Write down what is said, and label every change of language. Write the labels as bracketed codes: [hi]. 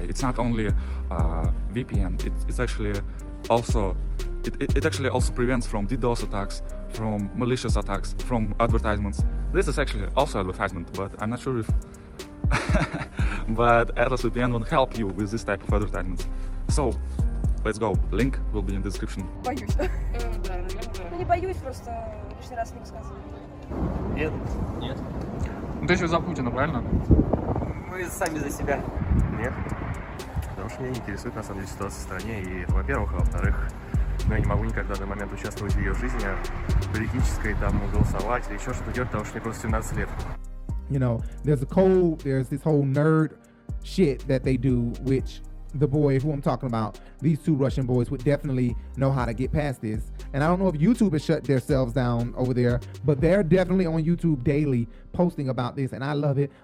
[en] It's not only VPN; it actually also prevents from DDoS attacks, from malicious attacks, from advertisements. This is actually also advertisement, but I'm not sure if. But Atlas VPN will help you with this type of advertisements. So, let's go. Link will be in the description. [ru] Боюсь. Да, наверное. Не боюсь, просто лишний раз не рассказывать. Нет. Нет. Ну ты еще за Путина, правильно? Мы сами за себя. Нет. Да. потому что меня интересует на самом деле ситуация в стране, и это во-первых, а во-вторых, ну, я не могу никогда на момент участвовать в ее жизни политической, там, голосовать или еще что-то делать, потому что мне просто 17 лет. [en] You know, there's a code, there's this whole nerd shit that they do, which the boy who I'm talking about, these two Russian boys would definitely know how to get past this. And I don't know if YouTube has shut themselves down over there, but they're definitely on YouTube daily posting about this, and I love it.